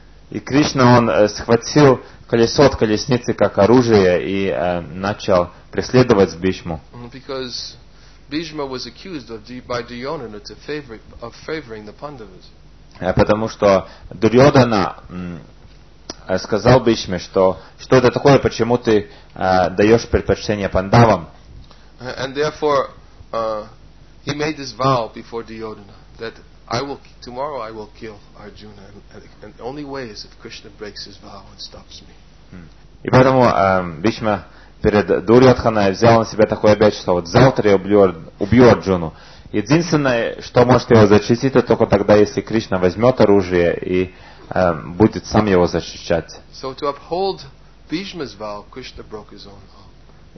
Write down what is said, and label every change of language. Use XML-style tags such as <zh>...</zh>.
<ru>И Кришна он схватил колесо от колесницы как оружие и начал преследовать Бишму.</ru> <en>Because Bhishma was accused by Duryodhana to favoring the Pandavas.</en> <ru>Потому что Дурьодхана сказал Бишме, что это такое, почему ты даешь предпочтение Пандавам?</ru> <en>And therefore he made this vow before Duryodhana that tomorrow I will kill Arjuna, and the only way is if Krishna breaks his vow and stops me.</en> <ru>И поэтому Бишма перед Дурьодханой взял на себя такое обещание, что вот завтра я убью Арджуну. Единственное, что может его защитить, это только тогда, если Кришна возьмет оружие и будет сам его защищать.</ru> <en>So to uphold Bhishma's vow, Krishna broke his own vow.</en>